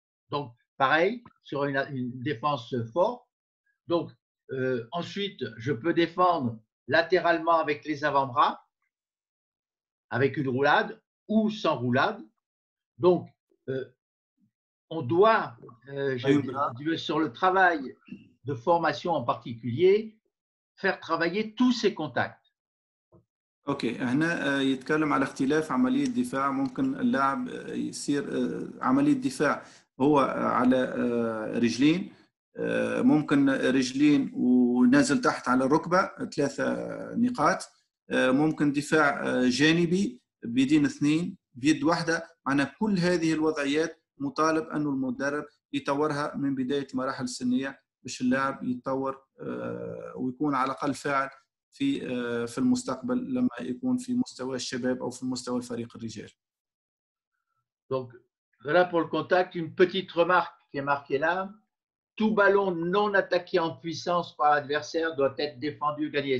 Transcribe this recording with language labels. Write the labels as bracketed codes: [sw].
[fr] Donc, pareil, sur une défense forte. Donc, ensuite, je peux défendre latéralement avec les avant-bras, avec une roulade ou sans roulade. Donc, on doit, sur le travail de formation en particulier, faire travailler tous ces contacts. [ar] اوكي هنا يتكلم على اختلاف عملية الدفاع ممكن اللاعب يصير عملية الدفاع هو على رجلين ممكن رجلين ونازل تحت على الركبة ثلاثة نقاط ممكن دفاع جانبي بيدين اثنين بيد واحدة معنا كل هذه الوضعيات مطالب أنه المدرب يطورها من بداية المراحل السنية باش اللاعب يتطور ويكون على الأقل فاعل في المستقبل لما يكون في مستوى الشباب أو في مستوى الفريق الرجال. [fr] Donc voilà pour le contact. Une petite remarque qui est marquée là. Tout ballon non attaqué en puissance par l'adversaire doit être défendu gagné.